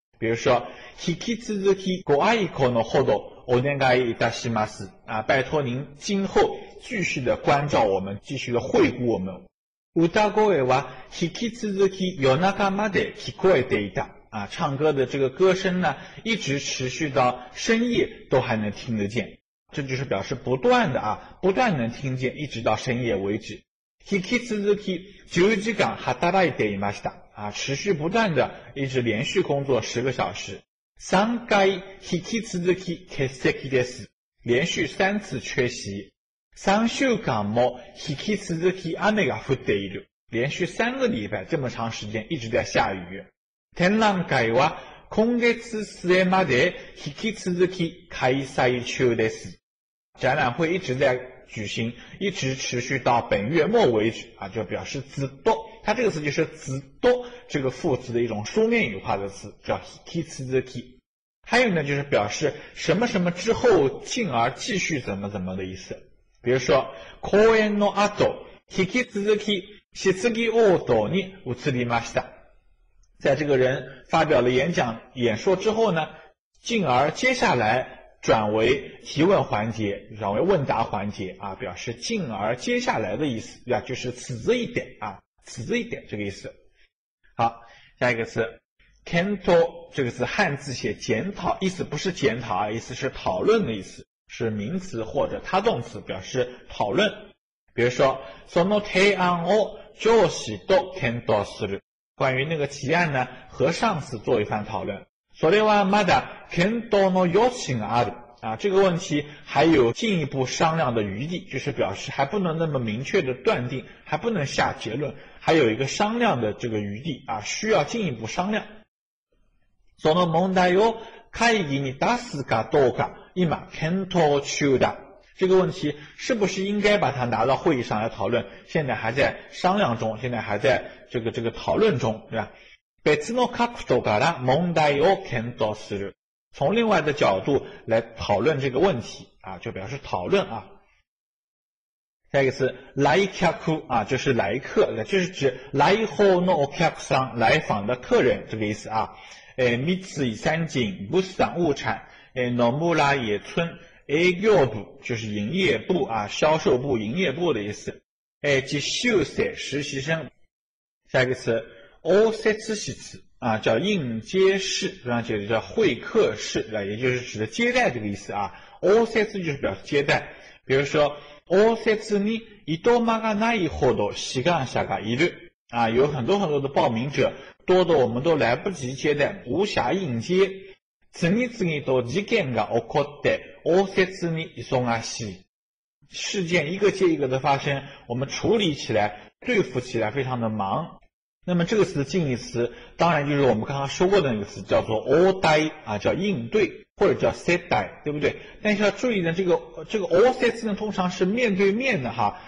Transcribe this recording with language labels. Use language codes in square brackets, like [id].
[zh] 比如说， [ja] 引き続きご愛顧のほどお願いいたします [zh] 啊，拜托您今后继续的关照我们，继续的惠顾我们。 [ja] 歌声は引き続き夜中まで聞こえていた [zh] 啊，唱歌的这个歌声呢，一直持续到深夜都还能听得见。这就是表示不断的啊，不断能听见，一直到深夜为止。 [ja] 引き続き十時間働いていました [zh] 啊，持续不断的，一直连续工作十个小时。 [ja] 三回引き続き欠席です， [zh] 连续三次缺席。 [ja] 三週間も引き続き雨が降っている， [zh] 连续三个礼拜这么长时间一直在下雨。 [ja] 展覧会は今月末まで引き続き開催中です。 [zh] 展覧会一直在举行，一直持续到本月末为止啊，就表示ずっと。它这个词就是ずっと这个副词的一种书面语化的词，叫引き続き。还有呢，就是表示什么什么之后，进而继续怎么怎么的意思。比如说， [ja] 公演の後引き続き質疑応答に移りました。 [zh] 在这个人发表了演讲演说之后呢，进而接下来转为提问环节，转为问答环节啊，表示进而接下来的意思啊，就是此之一点啊，此之一点这个意思。好，下一个词 ，kento 这个词汉字写检讨，意思不是检讨啊，意思是讨论的意思，是名词或者他动词，表示讨论。比如说， [ja] その提案を上司と検討する。 [zh] 关于那个提案呢，和上司做一番讨论。 [ja] それはまだ検討の余地がある。 [zh] 啊，这个问题还有进一步商量的余地，就是表示还不能那么明确的断定，还不能下结论，还有一个商量的这个余地啊，需要进一步商量。 [ja] その問題を会議に出すかどうか、今検討中だ。 [zh] 这个问题是不是应该把它拿到会议上来讨论，现在还在商量中，现在还在这个讨论中，对吧？ [ja] 別の角度から問題を検討する。 [zh] 从另外的角度来讨论这个问题啊，就表示讨论啊。下一个是来客户啊，就是来客，就是指来后のお客さん，来访的客人这个意思啊。三井三井物産物产，野村野村営業部，就是营业部啊，销售部、营业部的意思。実習生实习生。下一个词，応接室啊，叫应接室，然后接着叫会客室，也就是指的接待这个意思啊。応接就是表示接待，比如说 [ja] 応接に一度間がないほど志願者がいる [zh] 啊，有很多很多的报名者，多的我们都来不及接待，无暇应接。 [ja] 次々と事件が起こって応接に忙しい。 [zh] 事件一个接一个的发生，我们处理起来、对付起来非常的忙。那么这个词的近义词，当然就是我们刚刚说过的那个词，叫做応対啊，叫应对或者叫接待，对不对？但是要注意呢，这个応接呢，通常是面对面的哈。